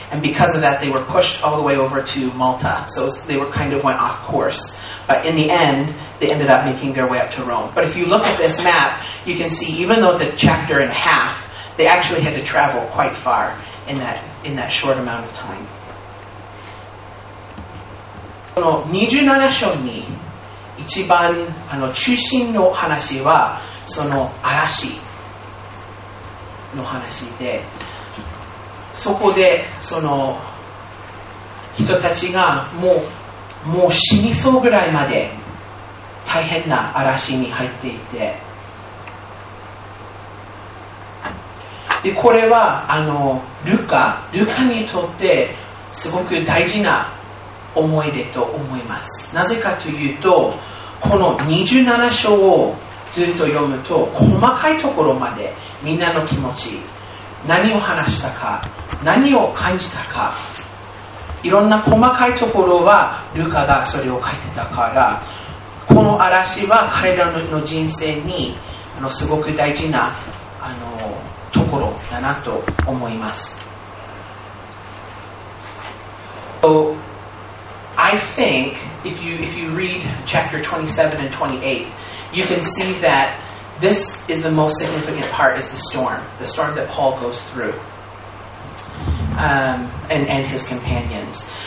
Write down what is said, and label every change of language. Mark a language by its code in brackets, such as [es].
[en] And because of that, they were pushed all the way over to Malta. So they were kind of went off course. But in the end, they ended up making their way up to Rome. But if you look at this map, you can see even though it's a chapter and a half, they actually had to travel quite far in that short amount of time. [ja] この27章に一番中心の話はその嵐の話で、そこでその人たちがもう死にそうぐらいまで大変な嵐に入っていて、でこれはルカにとってすごく大事な思い出と思います。なぜかというと、この27章をずっと読むと細かいところまでみんなの気持ち、何を話したか、何を感じたか、いろんな細かいところはルカがそれを書いてたから、この嵐は彼らの人生にすごく大事なところだなと思います。 [en] とI think if you read chapter 27 and 28, you can see that this is the most significant part, is the storm that Paul goes through and his companions.